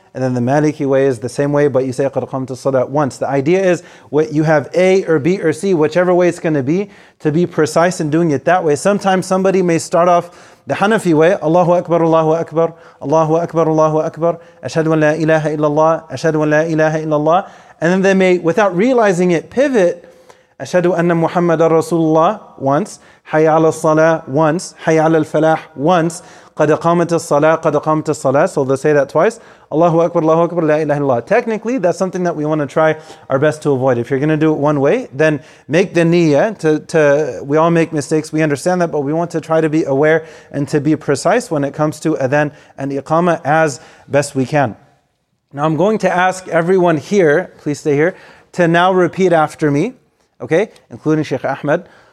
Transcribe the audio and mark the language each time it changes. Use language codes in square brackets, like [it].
[en] And then the Maliki way is the same way, but you say [ar] قَدْ قَمْتُ الصَّلَاةِ [en] once. The idea is what you have A or B or C, whichever way it's going to be precise in doing it that way. Sometimes somebody may start off the Hanafi way, [ar] Allahu Akbar, Allahu Akbar, Allahu Akbar, Allahu Akbar, أَشْهَدُ أَنْ لَا إِلَهَ إِلَّا اللَّهُ أَشْهَدُ أَنْ لَا إِلَهَ إِلَّا اللَّهُ. [en] And then they may, without realizing it, pivot, [ar] أَشْهَدُ أَنَّ مُحَمَّدَ رَسُولُ اللَّهِ once, حَيَّ عَلَى الصَّلَاةِ once, حَيَّ عَلَى الْفَلَاحِ once, قَدْ قَامَتِ الصَّلَاةِ قَدْ قَامَتِ الصَّلَاةِ. [en] So they'll say that twice. [ar] Allahu Akbar, Allahu Akbar, La ilaha illallah. [en] Technically, that's something that we want to try our best to avoid. If you're going to do it one way, then make the niyyah. We all make mistakes, we understand that, but we want to try to be aware and to be precise when it comes to adhan and iqama as best we can. Now I'm going to ask everyone here, please stay here, to now repeat after me, okay, including Sheikh Ahmed.